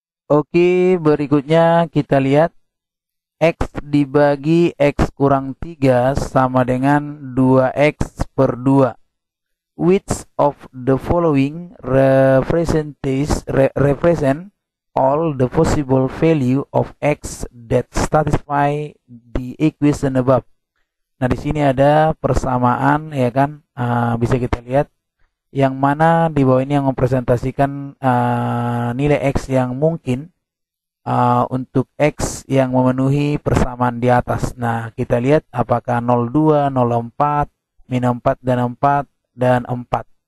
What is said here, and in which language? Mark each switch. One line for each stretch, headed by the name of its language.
Indonesian: Oke, berikutnya kita lihat X dibagi X kurang 3 sama dengan 2X per 2.
English: Which of the following represent all the possible value of X that satisfy the equation above?
Indonesian: Nah, di sini ada persamaan ya kan, bisa kita lihat. Yang mana di bawah ini yang mempresentasikan nilai X yang mungkin untuk X yang memenuhi persamaan di atas. Nah, kita lihat apakah 02, 04, min 4, dan 4, dan 4.